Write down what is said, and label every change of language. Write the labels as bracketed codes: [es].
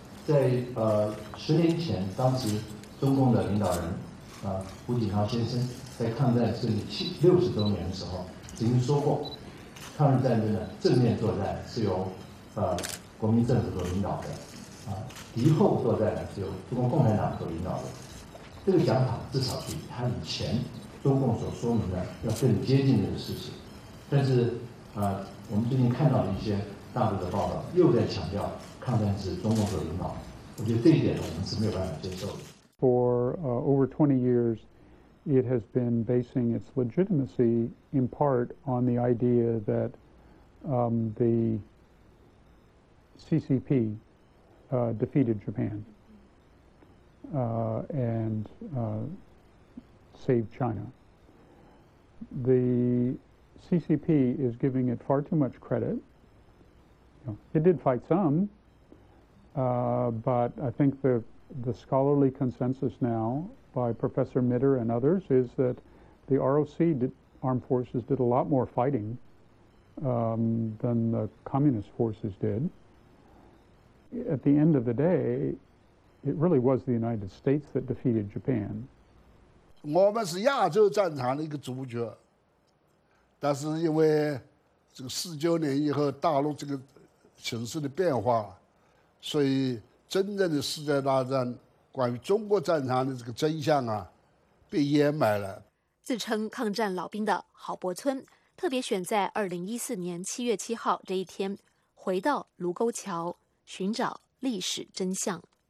[zh] 在10年前，当时中共的领导人胡锦涛先生在抗战胜利60周年的时候曾经说过，抗日战争的正面作战是由国民政府所领导的，敌后作战呢是由中国共产党所领导的。这个想法至少比他以前中共所说明的要更接近这个事实。但是我们最近看到的一些大陆的报道又在强调抗战是中共所领导，我觉得这一点我们是没有办法接受的。 [en] For over 20 years, it has been basing its legitimacy in part on the idea that the CCP defeated Japan and saved China. The CCP is giving it far too much credit. You know, it did fight some, but I think the scholarly consensus now by Professor Mitter and others is that the ROC armed forces did a lot more fighting than the communist forces did. At the end of the day, it really was the United States that defeated Japan. We are a major battle in Asia, but because of the 49 after the Chinese China situation change, so. [zh] 真正的世界大战关于中国战场的这个真相啊被掩埋了。自称抗战老兵的郝伯村特别选在2014年7月7号这一天回到卢沟桥寻找历史真相。